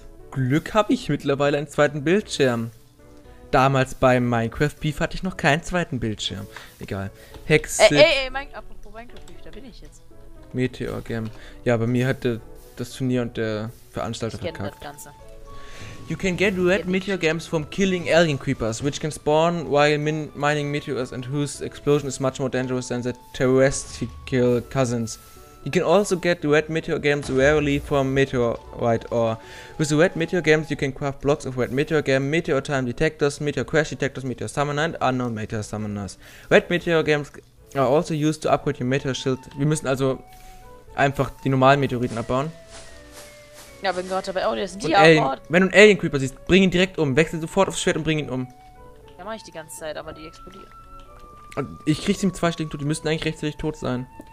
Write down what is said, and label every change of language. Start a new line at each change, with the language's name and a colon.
German: Glück habe ich mittlerweile einen zweiten Bildschirm. Damals bei Minecraft Beef hatte ich noch keinen zweiten Bildschirm. Egal. Hexe. Apropos Minecraft Beef, da bin ich jetzt. Meteor Game. Ja, bei mir hatte das Turnier und der Veranstalter verkackt. Ich kenne das Ganze.
English: You can get red meteor gems from killing alien creepers, which can spawn while mining meteors and whose explosion is much more dangerous than the terrestrial cousins. You can also get red meteor gems rarely from meteorite ore. With the red meteor gems, you can craft blocks of red meteor gems, meteor time detectors, meteor crash detectors, meteor summoner and unknown meteor summoners. Red meteor gems are also used to upgrade your meteor shield.
German: Wir müssen also einfach die normalen Meteoriten abbauen. Ja, bin gerade dabei. Oh, das sind die Alien, wenn du einen Alien Creeper siehst, bring ihn direkt um. Wechsel sofort aufs Schwert und bring ihn um. Ja, mach ich die ganze Zeit, aber die explodieren. Ich krieg sie mit zwei Stück tot. Die müssten eigentlich rechtzeitig tot sein.